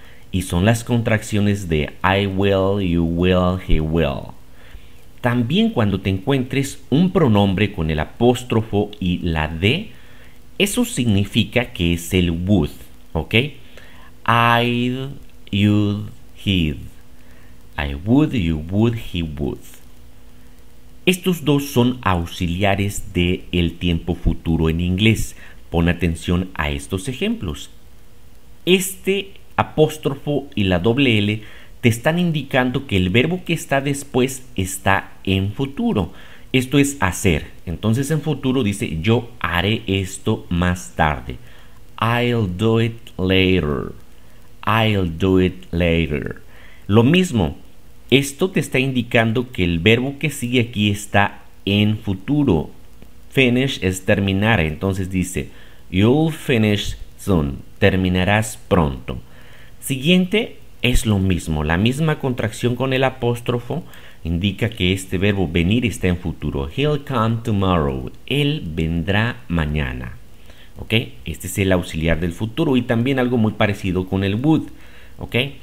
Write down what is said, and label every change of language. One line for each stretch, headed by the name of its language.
Spanish: Y son las contracciones de
English: I will, you will, he will.
Spanish: También cuando te encuentres un pronombre con el apóstrofo y la D, eso significa que es el would, ¿ok?
English: I'd, you'd, he'd. I would, you would, he would.
Spanish: Estos dos son auxiliares del tiempo futuro en inglés. Pon atención a estos ejemplos. Este apóstrofo y la doble L te están indicando que el verbo que está después está en futuro. Esto es hacer. Entonces en futuro dice yo haré esto más tarde.
English: I'll do it later. I'll do it later.
Spanish: Lo mismo, esto te está indicando que el verbo que sigue aquí está en futuro. Finish es terminar. Entonces dice,
English: you'll finish soon.
Spanish: Terminarás pronto. Siguiente es lo mismo. La misma contracción con el apóstrofo indica que este verbo venir está en futuro.
English: He'll come tomorrow.
Spanish: Él vendrá mañana. ¿Ok? Este es el auxiliar del futuro y también algo muy parecido con el would. ¿Ok?